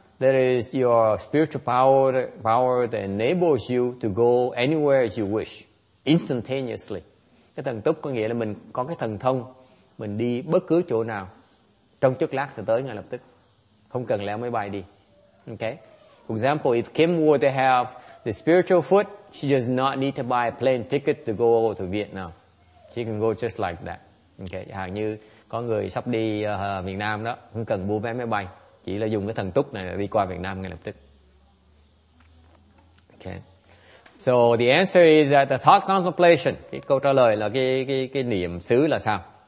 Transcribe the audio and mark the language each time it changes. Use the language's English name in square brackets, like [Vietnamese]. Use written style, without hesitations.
[English] That is your spiritual power that enables you to go anywhere you wish, instantaneously. [Vietnamese] Cái thần túc có nghĩa là mình có cái thần thông, mình đi bất cứ chỗ nào, trong chốc lát thì tới ngay lập tức. Không cần leo máy bay đi. [English] Okay? For example, if Kim were to have the spiritual foot, she does not need to buy a plane ticket to go over to Vietnam. She can go just like that. [Vietnamese] Okay, hàng như có người sắp đi Việt Nam đó, không cần mua vé máy bay, chỉ là dùng cái thần túc này đi qua Việt Nam ngay lập tức. [English] Okay. So the answer is that the thought contemplation, [Vietnamese] cái câu trả lời là cái niệm xứ là sao?